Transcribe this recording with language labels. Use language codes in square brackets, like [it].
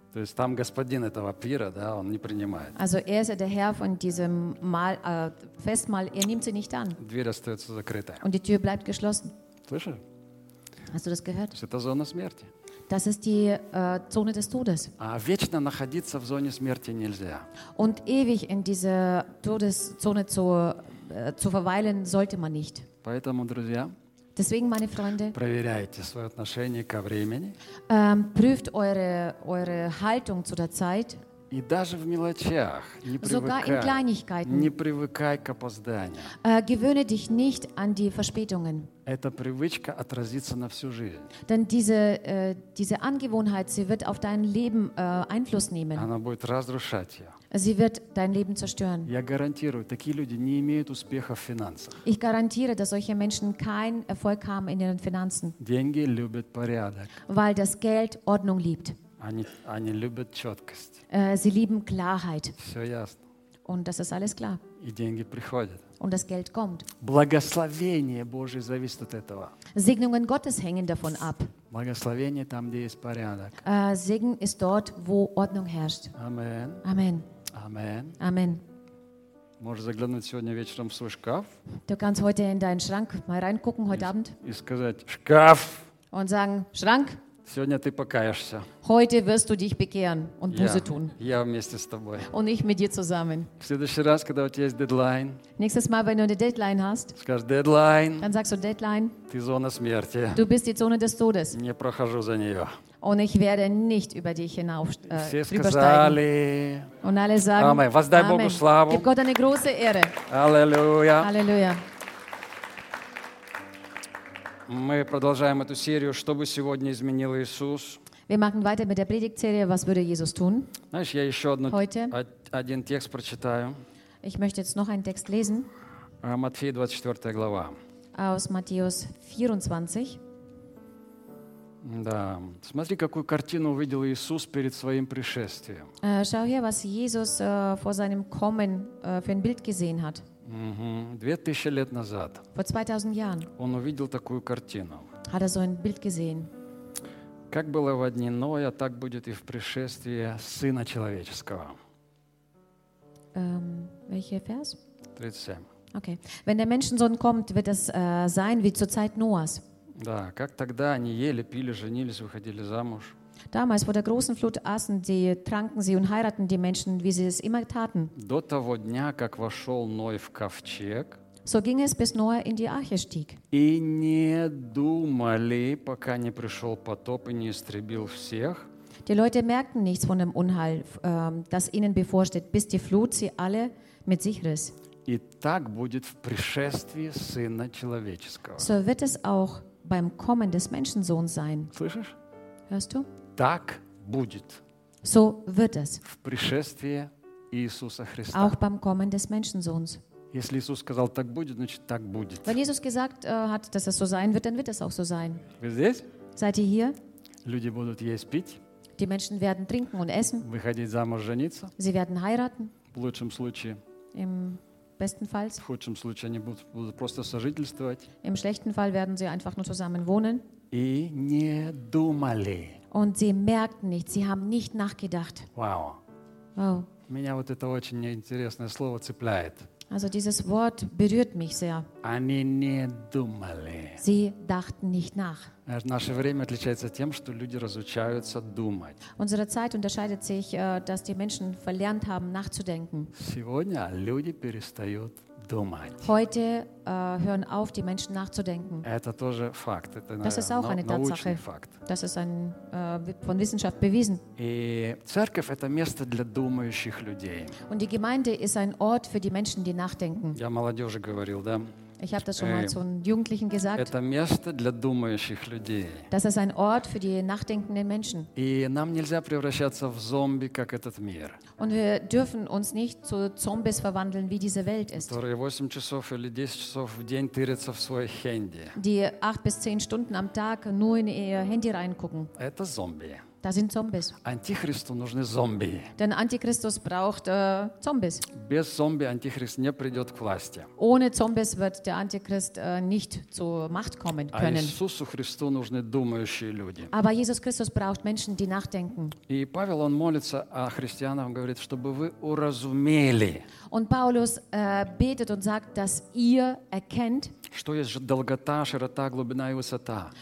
[ru] То есть там господин этого пира, да, он не принимает. [de] Also er ist der Herr von diesem Mahl, Festmahl, er nimmt sie nicht an. [ru] Дверь остается закрытой. [de] Und die Tür bleibt geschlossen. [ru] Слышишь? [de] Hast du das gehört? Das ist die Zone [ru] смерти. [de] Das ist die Zone des Todes. [ru] А вечно находиться в зоне смерти нельзя. [de] Und ewig in dieser Todeszone zu verweilen sollte man nicht. [ru] Поэтому, друзья, [de] deswegen, meine Freunde, [ru] проверяйте свое отношение ко времени. [de] Prüft eure Haltung zu der Zeit. [ru] И даже в мелочах, не привыкай к опозданию. [de] Gewöhne dich nicht an die Verspätungen. [ru] Эта привычка отразится на всю жизнь. [de] Denn diese Angewohnheit, sie wird auf dein Leben Einfluss nehmen. [ru] Она будет разрушать ее. [de] Sie wird dein Leben zerstören. [ru] Я гарантирую, такие люди не имеют успеха в финансах. [de] Ich garantiere, dass solche Menschen keinen Erfolg haben in ihren Finanzen. [ru] Деньги любят порядок. [de] Weil das Geld Ordnung liebt. [ru] Они любят четкость. [de] Sie lieben Klarheit. [ru] Все ясно. [de] Und das ist alles klar. [ru] И деньги приходят. [de] Und das Geld kommt. [ru] Благословение Божие зависит от этого. [de] Segnungen Gottes hängen davon ab. [ru] Благословение там, где есть порядок. [de] Segen ist dort, wo Ordnung herrscht. Amen. Amen. Amen. Amen. [ru] Можешь заглянуть сегодня вечером в свой шкаф. [de] Du kannst heute in deinen Schrank mal reingucken heute Abend. [ru] И сказать: Шкаф. [de] Und sagen: Schrank. [ru] Сегодня ты покаешься. [de] Heute wirst du dich bekehren und Buße tun. [ru] Я вместе с тобой. [de] Und ich mit dir zusammen. [ru] В следующий раз, когда у тебя есть deadline. [de] Nächstes Mal, wenn du eine Deadline hast. [ru] Скажешь deadline. [de] Dann sagst du deadline. [ru] Ты зона смерти. [de] Du bist die Zone des Todes. [ru] Не прохожу за нее. [de] Und ich werde nicht über dich hinauf [ru] все сказали. [de] Und alle sagen. Amen. [ru] Воздай Amen. Богу славу. [de] Gib Gott eine große Ehre. Аллилуйя. Аллилуйя. [ru] Мы продолжаем эту серию, что бы сегодня изменил Иисус. [de] Wir machen weiter mit der Predigtserie, was würde Jesus tun? [ru] Знаешь, я еще одну, [de] heute, [ru] один текст прочитаю. [de] Ich möchte jetzt noch einen Text lesen. [ru] Матфея 24 глава. [de] Aus Matthäus 24. [ru] Да, смотри, какую картину увидел Иисус перед своим пришествием. [de] Schau hier, was Jesus vor seinem Kommen für ein Bild gesehen hat. [ru] 2000 лет назад. [de] Vor 2000 Jahren. [ru] Он увидел такую картину. [de] Hat er so ein Bild gesehen. [ru] Как было во дни Ноя, так будет и в пришествии Сына человеческого. [de] Welcher Vers? 37. Okay. Wenn der Menschensohn kommt, wird es sein wie zur Zeit Noahs. [ru] Да, как тогда они ели, пили, женились, выходили замуж. [de] Damals vor der großen Flut aßen sie, tranken sie und heiraten die Menschen, wie sie es immer taten. [ru] До того дня, как вошел Ной в ковчег. [de] So ging es, bis Noah in die Arche stieg. [ru] И не думали, пока не пришел потоп и не истребил всех. [de] Die Leute merkten nichts von dem Unheil, das ihnen bevorsteht, bis die Flut sie alle mit sich riss. [ru] И так будет в пришествии Сына человеческого. [de] So wird es auch beim Kommen des Menschensohns sein. [ru] Слышишь? [de] Hörst du? [ru] Так будет. [de] So wird es. [ru] В пришествии Иисуса Христа. [de] Auch beim Kommen des Menschensohns. [ru] Если Иисус сказал, так будет, значит, так будет. [de] Wenn Jesus gesagt hat, dass es so sein wird, dann wird es auch so sein. [ru] Вы здесь? [de] Seid ihr hier? [ru] Люди будут есть, пить. [de] Die Menschen werden trinken und essen. [ru] Выходить замуж, жениться. [de] Sie werden heiraten. [ru] В лучшем случае. [de] Im besten Fall. [ru] В худшем случае они будут просто сожительствовать. [de] Im schlechten Fall werden sie einfach nur zusammen wohnen. [ru] И не думали. [de] Und sie merkten nicht, sie haben nicht nachgedacht. Wow. Wow. [ru] Меня вот это очень интересное слово цепляет. [de] Also dieses Wort berührt mich sehr. [ru] Они не думали. [de] Sie dachten nicht nach. [ru] Наше время отличается тем, что люди разучаются думать. [de] Unsere Zeit unterscheidet sich, dass die Menschen verlernt haben, nachzudenken. [ru] Сегодня люди перестают думать. [de] Heute hören auf, die Menschen nachzudenken. [ru] Это тоже факт. Это, [de] das ist auch eine Tatsache. [ru] Факт. [de] Das ist ein, von Wissenschaft bewiesen. [ru] И церковь — это место для думающих людей. [de] Und die Gemeinde ist ein Ort für die Menschen, die nachdenken. [ru] Я молодежи говорил, да? [de] Ich habe das schon mal zu einem Jugendlichen gesagt. [ru] Это место для думающих людей. [de] Das ist ein Ort für die nachdenkenden Menschen. [ru] И нам нельзя превращаться в зомби, как этот мир. [de] Und wir dürfen uns nicht zu Zombies verwandeln, wie diese Welt ist. [ru] Которые 8 часов или 10 часов в день тырятся в свой хэнди. [de] Die 8 bis 10 Stunden am Tag nur in ihr Handy reingucken. [ru] Это зомби. [de] Da sind Zombies. [ru] Антихристу нужны зомби. [de] Denn Antichristus braucht Zombies. [ru] Без зомби Антихрист не придет к власти. [de] Ohne Zombies wird der Antichrist nicht zur Macht kommen können. [ru] А Иисусу Христу нужны думающие люди. [de] Aber Jesus Christus braucht Menschen, die nachdenken. [ru] И Павел, он молится о христианах, говорит, чтобы вы уразумели. [de] Und Paulus betet und sagt, dass ihr erkennt, [ru] что есть долгота, широта, глубина и высота.